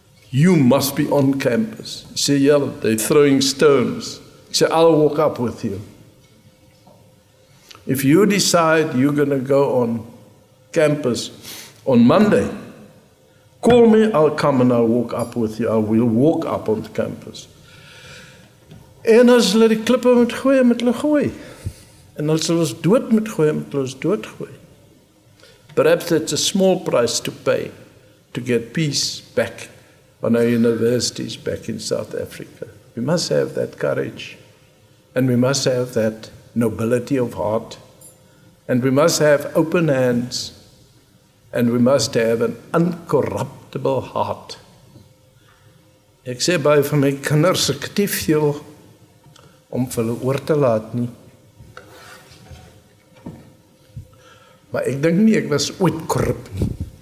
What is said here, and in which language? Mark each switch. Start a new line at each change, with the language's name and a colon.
English: You must be on campus. He sê, yeah, they're throwing stones. He sê, I'll walk up with you. If you decide you're going to go on campus on Monday, call me, I'll come and I'll walk up with you. I will walk up on the campus.
Afrikaans: En as hulle die klippe moet gooi, moet hulle gooi. En as hulle ons dood moet gooi, moet hulle ons dood gooi.
English: Perhaps it's a small price to pay to get peace back on our universities back in South Africa. We must have that courage and we must have that nobility of heart, and we must have open hands, and we must have an uncorruptible heart.
Afrikaans: Ek sê baie van my kinders, ek het nie veel om vir hulle oor te laat nie. Maar ek dink nie, ek was ooit korrup nie.